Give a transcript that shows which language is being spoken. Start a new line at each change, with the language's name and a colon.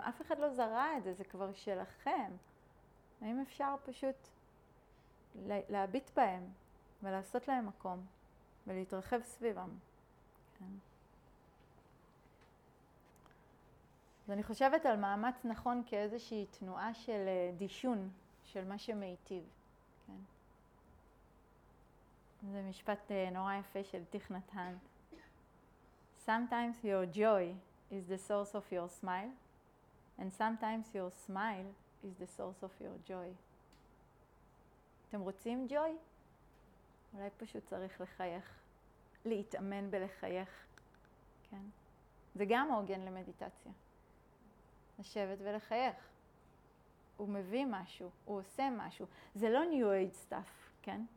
Hebrew: אף אחד לא זרע את זה, זה כבר שלכם. האם אפשר פשוט להביט בהם ולעשות להם מקום ולהתרחב סביבם? כן. אז אני חושבת על מאמץ נכון כאיזושהי תנועה של דישון של מה שמיטיב. כן. זה משפט נורא יפה של תיך נט הנט.
English: Sometimes your joy is the source of your smile, and sometimes your smile is the source of your joy.
Hebrew: אתם רוצים ג'וי? אולי פשוט צריך לחייך, להתאמן בלחייך, כן? זה גם הוגן למדיטציה. לשבת ולחייך. הוא מביא משהו, הוא עושה משהו. זה לא
English: new age stuff,
Hebrew: כן?